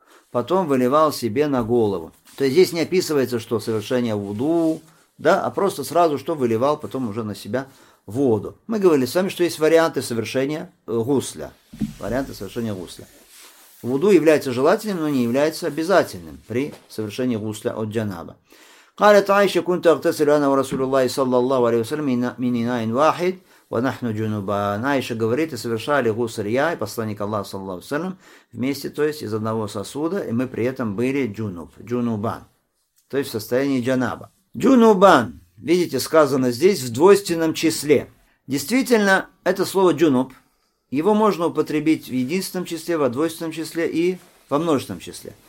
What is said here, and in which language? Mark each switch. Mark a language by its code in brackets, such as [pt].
[ru] Потом выливал себе на голову. То есть здесь не описывается, что совершение вуду, да, а просто сразу что выливал потом уже на себя воду. Мы говорили с вами, что есть варианты совершения гусля. Варианты совершения гусля. Вуду является желательным, но не является обязательным при совершении гусля от джанаба. [ar] قالت عائشة كنت أغتسل أنا ورسول الله صلى الله عليه وسلم من إناء واحد ونحن جنوبان. [ru] عائشة говорит, и совершали гусль я и посланник Аллаха [ar] صلى الله عليه وسلم [ru] вместе, то есть из одного сосуда, и мы при этом были джунубан, то есть в состоянии джанаба. Джунубан, видите, сказано здесь в двойственном числе. Действительно, это слово джунуб, его можно употребить в единственном числе, во двойственном числе и во множественном числе.